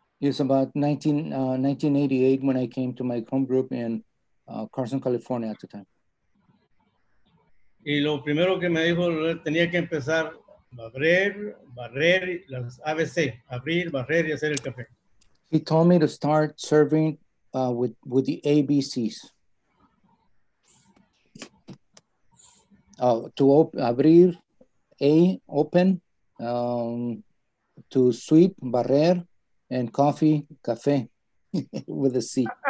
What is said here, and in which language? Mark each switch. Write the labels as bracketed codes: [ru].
[en] It was about 1988 when I came to my home group in Carson, California at the time. [es] Y lo primero que me dijo, tenía que empezar a abrir, barrer las ABC, abrir, barrer y hacer el café. [en] He told me to start serving with the ABCs. Abrir, A, open, to sweep, barrer, and coffee, café, with a C.